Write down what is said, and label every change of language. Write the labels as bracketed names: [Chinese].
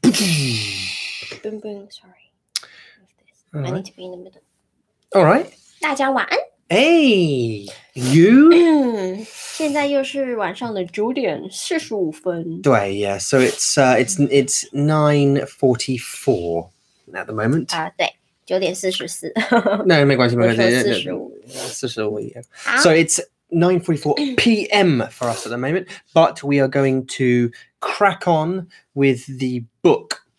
[English] Boom, boom, sorry. I need to be in the middle. All right. [Chinese] 大家晚安。 [English] Hey, you? [Chinese] 现在又是晚上的九点四十五分。 [English] 对 ,yeah, so it's 9:44 at the moment. [Chinese] 对。九点四十四。那没关系，没关系。四十五，四十五。 [English] So it's 9:44 PM for us at the moment, but we are going to crack on with the book.